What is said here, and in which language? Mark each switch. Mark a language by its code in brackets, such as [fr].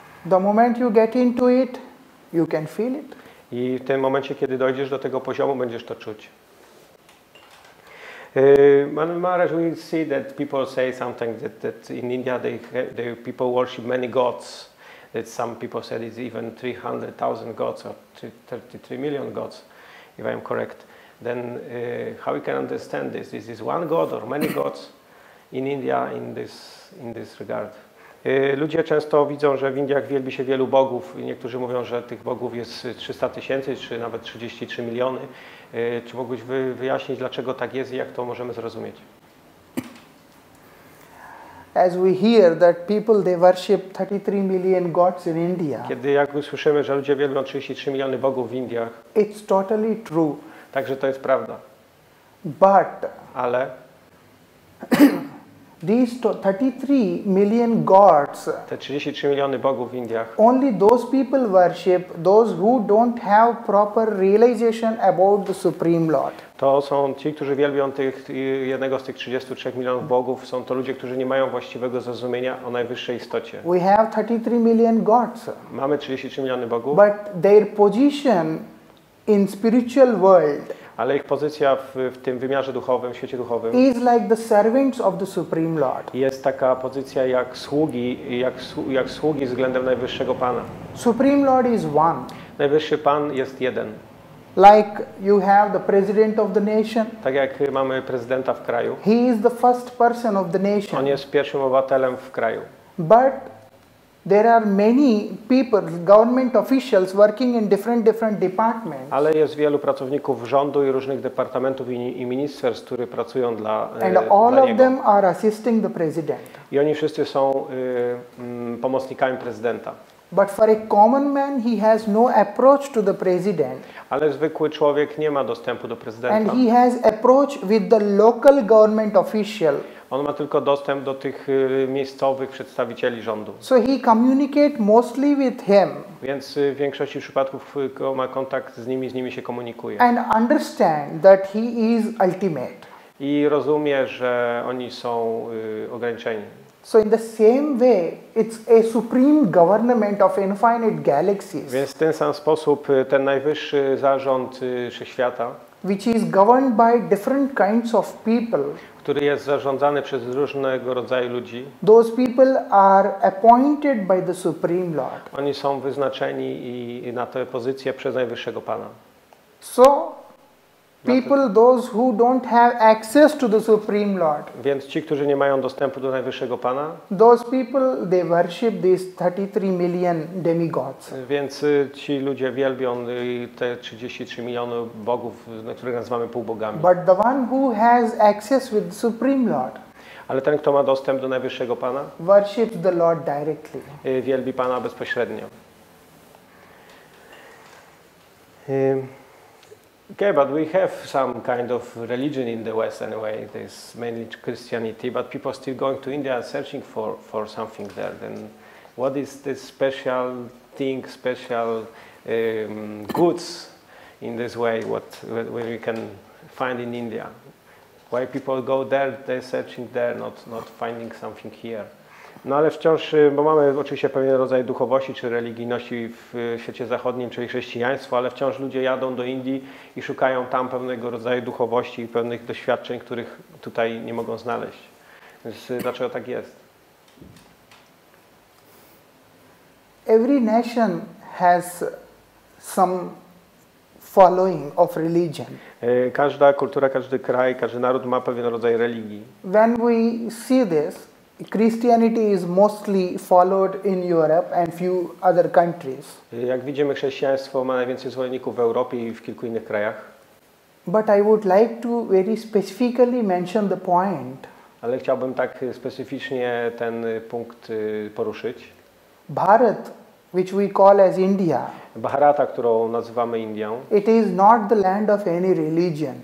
[en] The moment you get into it, you can feel it. [pl] I w tym momencie, kiedy dojdziesz do tego poziomu, będziesz to czuć. [en] Maharaj, we see that people say something that in India they people worship many gods. That some people said it's even 300,000 gods or 33 million gods, if I am correct. Then how we can understand this? Is this one god or many gods in India in this regard? [pl] Ludzie często widzą, że w Indiach wielbi się wielu bogów. Niektórzy mówią, że tych bogów jest 300 tysięcy, czy nawet 33 miliony. Czy mógłbyś wyjaśnić, dlaczego tak jest i jak to możemy zrozumieć? [en] As we hear that people they worship 33 million gods in India. [pl] Kiedy jak usłyszymy, że ludzie wielbią 33 miliony bogów w Indiach. [en] It's totally true. [pl] Także to jest prawda. [en] But. [pl] Ale. [en] These 33 million gods. [pl] Te 33 miliony bogów w Indiach. [en] Only those people worship, those who don't have proper realization about the Supreme Lord. [pl] To są ci, którzy wielbią jednego z tych 33 milionów bogów, są to ludzie, którzy nie mają właściwego zrozumienia o najwyższej istocie. [en] We have 33 million gods. [pl] Mamy 33 miliony bogów. [en] But their position in spiritual world. [pl] Ale ich pozycja w tym wymiarze duchowym, w świecie duchowym, [en] is like the servants of the Supreme Lord. [pl] Jest taka pozycja jak sługi, jak sługi względem najwyższego Pana. [en] Supreme Lord is one. [pl] Najwyższy Pan jest jeden. [en] Like you have the president of the nation. [pl] Tak jak mamy prezydenta w kraju. [en] He is the first person of the nation. [pl] On jest pierwszym obywatelem w kraju. [en] But there are many people, government officials working in different departments. [pl] Ale jest wielu pracowników rządu i różnych departamentów i ministerstw, które pracują dla niego. [en] And all of them are assisting the president. [pl] I oni wszyscy są pomocnikami prezydenta. [en] But for a common man, he has no approach to the president. [pl] Ale zwykły człowiek nie ma dostępu do prezydenta. [en] And he has approach with the local government official. [pl] On ma tylko dostęp do tych miejscowych przedstawicieli rządu. [en] So he communicate mostly with him. [pl] Więc w większości przypadków ma kontakt z nimi się komunikuje. [en] And understand that he is ultimate. [pl] I rozumie, że oni są ograniczeni. [en] So in the same way, it's a supreme government of infinite galaxies. [pl] Więc w ten sam sposób ten najwyższy zarząd wszechświata, [en] which is governed by different kinds of people, [pl] który jest zarządzany przez różnego rodzaju ludzi, [en] those people are appointed by the Supreme Lord. [pl] Oni są wyznaczeni i na tę pozycję przez najwyższego Pana. [en] So people, those who don't have access to the Supreme Lord. [pl] Więc ci, którzy nie mają dostępu do najwyższego Pana. [en] Those people, they worship these 33 million demigods. [pl] Więc ci ludzie wielbią te 33 miliony bogów, na których nazywamy półbogami. [en] But the one who has access with the Supreme Lord. [pl] Ale ten, kto ma dostęp do najwyższego Pana. [en] Worship the Lord directly. [pl] Wielbi Pana bezpośrednio. [en] Okay, but we have some kind of religion in the West anyway. It's mainly Christianity, but people are still going to India searching for something there. Then what is this special thing, special goods in this way, what we can find in India? Why people go there, they're searching there, not finding something here? [pl] No ale wciąż, bo mamy oczywiście pewien rodzaj duchowości czy religijności w świecie zachodnim, czyli chrześcijaństwo, ale wciąż ludzie jadą do Indii i szukają tam pewnego rodzaju duchowości i pewnych doświadczeń, których tutaj nie mogą znaleźć. Więc dlaczego tak jest? [en] Every nation has some following of religion. [pl] Każda kultura, każdy kraj, każdy naród ma pewien rodzaj religii. [en] When we see this, Christianity is mostly followed in Europe and few other countries. [pl] Jak widzimy, chrześcijaństwo ma najwięcej zwolenników w Europie i w kilku innych krajach. [en] But I would like to very specifically mention the point. [pl] Ale chciałbym tak specyficznie ten punkt poruszyć. [en] Bharat, which we call as India. [pl] Bharata, którą nazywamy Indią. [en] It is not the land of any religion.